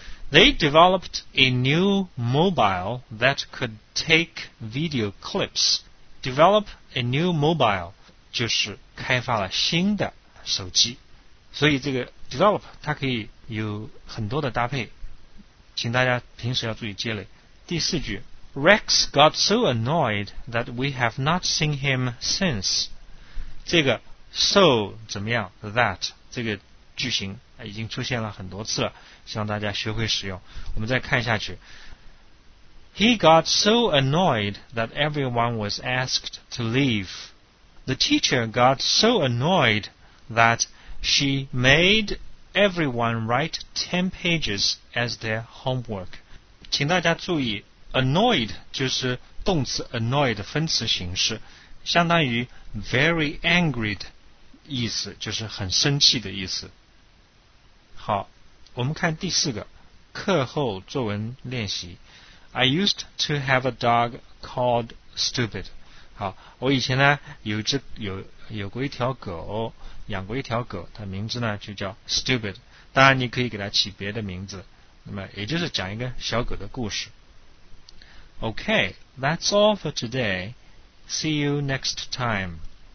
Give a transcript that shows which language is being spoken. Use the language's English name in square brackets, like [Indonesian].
[English] They developed a new mobile that could take video clips， develop a new mobile [Chinese] 就是开发了新的手机，所以这个 develop 它可以有很多的搭配，请大家平时要注意积累。第四句 [English] Rex got so annoyed that we have not seen him since， [Chinese] 这个 [English] so [Chinese] 怎么样 [English] that [Chinese] 这个句型已经出现了很多次了，希望大家学会使用。我们再看下去。 [English] He got so annoyed that everyone was asked to leave. The teacher got so annoyed that she made everyone write 10 pages as their homework. [Chinese] 请大家注意 ,annoyed 就是动词 annoyed 的分词形式，相当于 [English] very angry [Chinese] 的意思，就是很生气的意思。好，我们看第四个，课后作文练习。 [English] I used to have a dog called Stupid. [Chinese] 好，我以前呢有过一条狗，养过一条狗，它名字呢就叫 Stupid. 当然你可以给它起别的名字，那么也就是讲一个小狗的故事。 [English] Okay, that's all for today. See you next time.